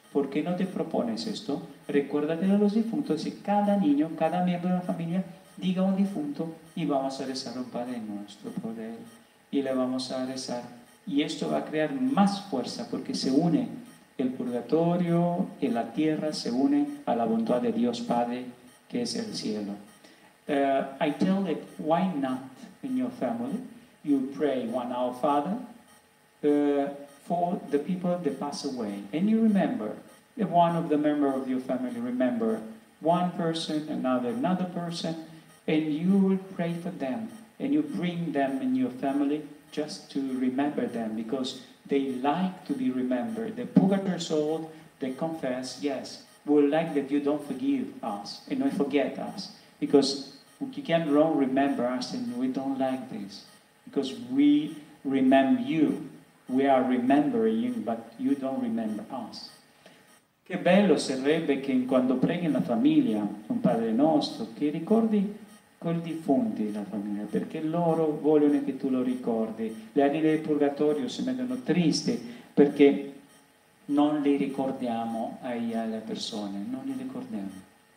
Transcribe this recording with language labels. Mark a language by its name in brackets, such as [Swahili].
[Spanish] ¿Por qué no te propones esto? Recuérdate de los difuntos y cada niño, cada miembro de la familia, diga un difunto y vamos a rezar un Padre Nuestro por él. Y le vamos a rezar. Y esto va a crear más fuerza porque se une el purgatorio y la tierra, se une a la bondad de Dios Padre, que es el cielo. [English] I tell that why not in your family you pray one Our Father for the people that pass away. And you remember, if one of the members of your family remember one person, another person, and you will pray for them, and you bring them in your family just to remember them, because they like to be remembered. The purgatory soul, they confess, yes, we would like that you don't forgive us, and not forget us, because you can wrong remember us, and we don't like this, because we remember you. We are remembering you, but you don't remember us. [Italian] Qué bello sarebbe che quando preghi la famiglia, un Padre Nostro, che ricordi col difunti la famiglia, perché loro vogliono che tu lo ricordi. Le anime del purgatorio si vedono tristi perché non li ricordiamo alle persone, non li ricordiamo.